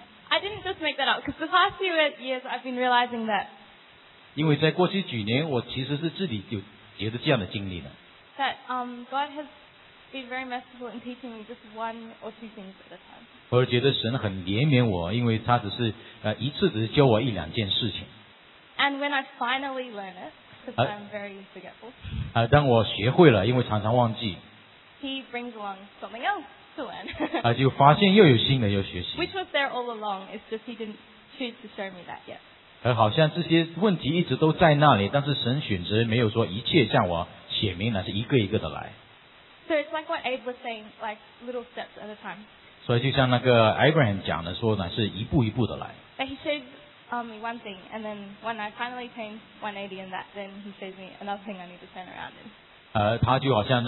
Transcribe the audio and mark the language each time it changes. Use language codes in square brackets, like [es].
[en] I didn't just make that up, because the past few years I've been realizing that. [zh] 因为在过去几年，我其实是自己就觉得这样的经历呢。 [en] That God has been very merciful in teaching me just one or two things at a time. [zh] 我觉得神很怜悯我，因为他只是一次只是教我一两件事情。 [en] And when I finally learn it, because I'm very forgetful. [zh] 当我学会了，因为常常忘记。 [en] He brings along something else to learn. [zh] 就发现又有新的要学习。 [en] Which was there all along, it's just he didn't choose to show me that yet. [zh] 好像这些问题一直都在那里，但是神选择没有说一切向我显明，那是一个一个的来。 [en] So it's like what Abe was saying, like little steps at a time. [zh] 所以就像那个 Abraham 讲的说呢，是一步一步的来。 [en] But he shows me one thing, and then when I finally change 180 in that, then he shows me another thing I need to turn around in.